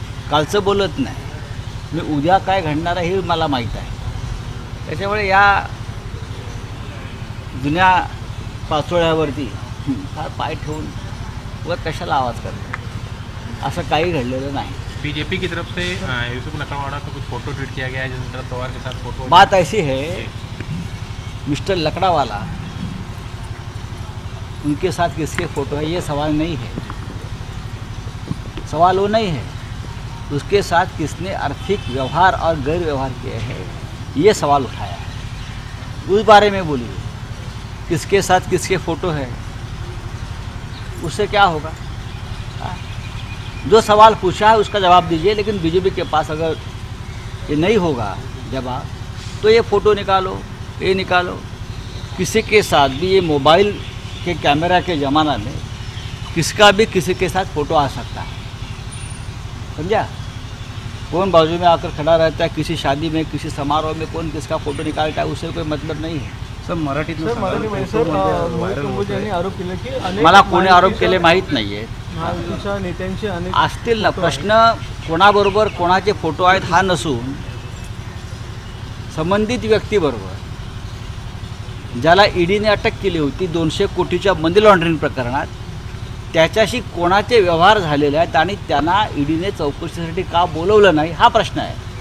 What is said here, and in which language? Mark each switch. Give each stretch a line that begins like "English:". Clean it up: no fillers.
Marathi: कालचं बोलत नाही मी, उद्या काय घडणार आहे हे मला माहीत आहे. त्याच्यामुळे या जुन्या पाचोळ्यावरती फार पाय ठेवून व कशाला आवाज करतो, असं काही घडलेलं नाही.
Hindi: BJP की तरफ से युसुफ लकड़ावाला का कुछ फोटो ट्वीट किया गया है, जितेंद्र पवार के साथ फोटो. बात ऐसी है, मिस्टर लकड़ावाला उनके साथ किसके फोटो है ये सवाल नहीं है. सवाल वो नहीं है उसके साथ किसने आर्थिक व्यवहार और गैर व्यवहार किए हैं ये सवाल उठाया है. उस बारे में बोलिए, किसके साथ किसके फोटो है, उससे क्या होगा। जो सवाल पूछा है उसका जवाब दीजिए, लेकिन बीजेपी के पास अगर ये नहीं होगा जवाब, तो ये फोटो निकालो, ये निकालो। किसी के साथ भी ये मोबाइल के कैमरा के ज़माना में किसका भी किसी के साथ फ़ोटो आ सकता है, समझा। कौन बाजू में आकर खड़ा रहता है किसी शादी में, किसी समारोह में, कौन किसका फ़ोटो निकालता है, उससे कोई मतलब नहीं है।
Marathi: सर मराठी आरोप केले की मला कोणी आरोप केले माहित नाही आहे। असतील ना प्रश्न, कोणाबरोबर कोणाचे फोटो आहेत हा नसून, संबंधित व्यक्तीबरोबर ज्याला ईडीने अटक केली होती 200 कोटीच्या मनी लॉन्ड्रिंग प्रकरणात, त्याच्याशी कोणाचे व्यवहार झालेले आहेत आणि त्यांना ईडीने चौकशीसाठी का बोलवलं नाही हा प्रश्न आहे।